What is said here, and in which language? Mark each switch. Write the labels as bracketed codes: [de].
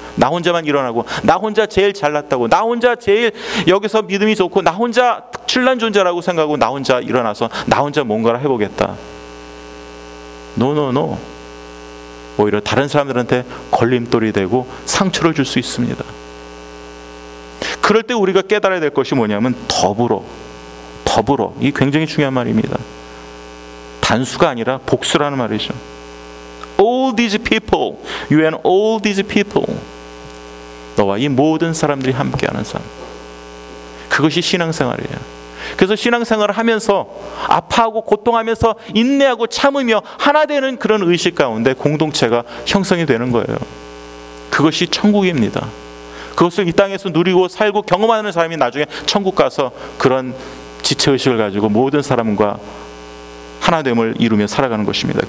[ko] 나 혼자만 일어나고 나 혼자 제일 잘났다고, 나 혼자 제일 여기서 믿음이 좋고 나 혼자 특출난 존재라고 생각하고 나 혼자 일어나서 나 혼자 뭔가를 해보겠다. 노노노. 오히려 다른 사람들한테 걸림돌이 되고 상처를 줄 수 있습니다. 그럴 때 우리가 깨달아야 될 것이 뭐냐면 더불어. 더불어. 이게 굉장히 중요한 말입니다. 단수가 아니라 복수라는 말이죠. [en] All these people, you and all these people. [ko] 너와 이 모든 사람들이 함께하는 삶. 그것이 신앙생활이에요. 그래서 신앙생활을 하면서 아파하고 고통하면서 인내하고 참으며 하나 되는 그런 의식 가운데 공동체가 형성이 되는 거예요. 그것이 천국입니다. 그것을 이 땅에서 누리고 살고 경험하는 사람이 나중에 천국 가서 그런 지체의식을 가지고 모든 사람과 하나됨을 이루며 살아가는 것입니다.